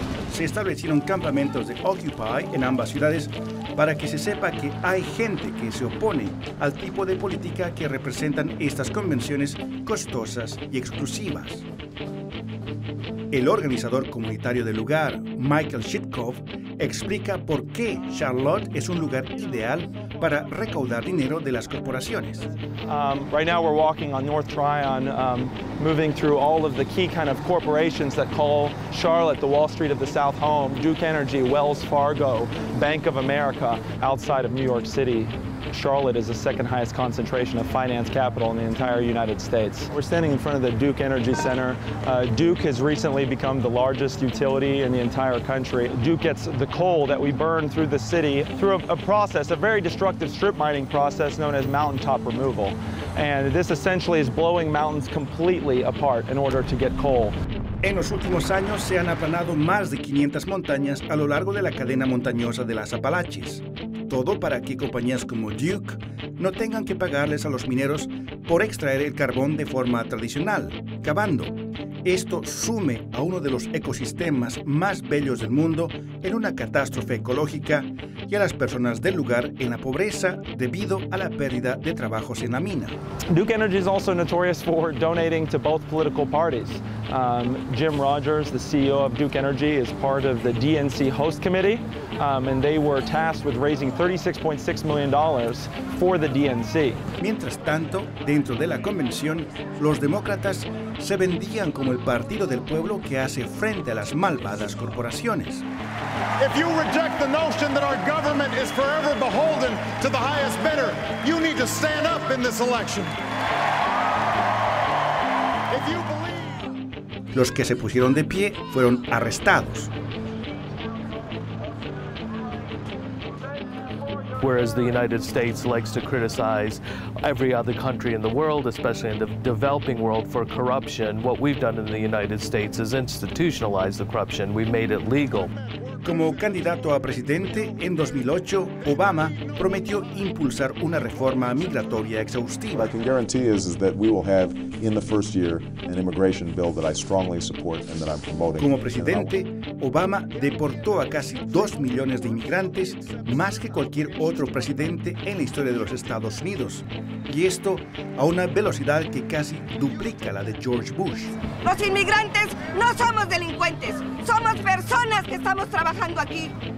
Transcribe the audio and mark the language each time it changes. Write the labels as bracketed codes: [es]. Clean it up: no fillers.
[es] se establecieron campamentos de Occupy en ambas ciudades para que se sepa que hay gente que se opone al tipo de política que representan estas convenciones costosas y exclusivas. El organizador comunitario del lugar, Michael Shitkov, explica por qué Charlotte es un lugar ideal para recaudar dinero de las corporaciones. [en] Right now we're walking on North Tryon, moving through all of the key kind of corporations that call Charlotte the Wall Street of the South home. Duke Energy, Wells Fargo, Bank of America, outside of New York City. Charlotte is the second highest concentration of finance capital in the entire United States. We're standing in front of the Duke Energy Center. Duke has recently become the largest utility in the entire country. Duke gets the coal that we burn through the city through a process, a very destructive strip mining process known as mountaintop removal. And this essentially is blowing mountains completely apart in order to get coal. [es] En los últimos años se han aplanado más de 500 montañas a lo largo de la cadena montañosa de las Apalaches. Todo para que compañías como Duke no tengan que pagarles a los mineros por extraer el carbón de forma tradicional, cavando. Esto sume a uno de los ecosistemas más bellos del mundo en una catástrofe ecológica y a las personas del lugar en la pobreza debido a la pérdida de trabajos en la mina. [en] Duke Energy is also notorious for donating to both political parties. Jim Rogers, the CEO of Duke Energy, is part of the DNC host committee, and they were tasked with raising $36.6 million for the DNC. [es] Mientras tanto, dentro de la convención, los demócratas se vendían como el partido del pueblo que hace frente a las malvadas corporaciones. [en] If you reject the notion that our government is forever beholden to the highest bidder, you need to stand up in this election. If you believe... [es] Los que se pusieron de pie fueron arrestados. [en] Whereas the United States likes to criticize every other country in the world, especially in the developing world, for corruption, what we've done in the United States is institutionalize the corruption. We've made it legal. [es] Como candidato a presidente en 2008, Obama prometió impulsar una reforma migratoria exhaustiva. [en] What I can guarantee is that we will have in the first year an immigration bill that I strongly support and that I'm promoting. [es] Como presidente, Obama deportó a casi 2 millones de inmigrantes, más que cualquier otro presidente en la historia de los Estados Unidos. Y esto a una velocidad que casi duplica la de George Bush. Los inmigrantes no somos delincuentes, somos personas que estamos trabajando aquí.